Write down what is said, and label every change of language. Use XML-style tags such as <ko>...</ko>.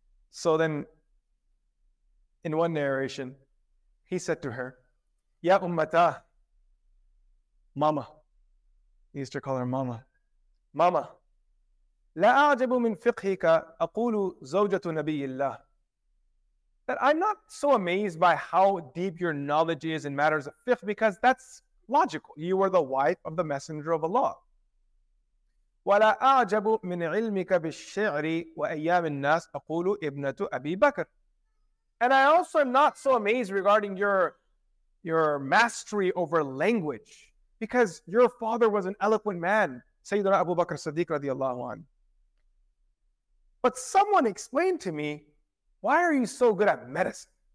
<en>So then, in one narration, he said to her, Ya Ummata, Mama. He used to call her Mama.</en> <ar>Mama, La a'jabu min fiqhika aqulu zawjatu nabiyillah.</ar> <en>That I'm not so amazed by how deep your knowledge is in matters of fiqh, because that's logical. You are the wife of the Messenger of Allah.</en> <ar>ولا أعجب من علمك بالشعر وأيام الناس أقول ابنة أبي بكر.</ar> <en>And I also am not so amazed regarding your mastery over language, because your father was an eloquent man, Sayyidina Abu Bakr Siddiq radiallahu anhu. But someone explained to me, why are you so good at medicine?</en>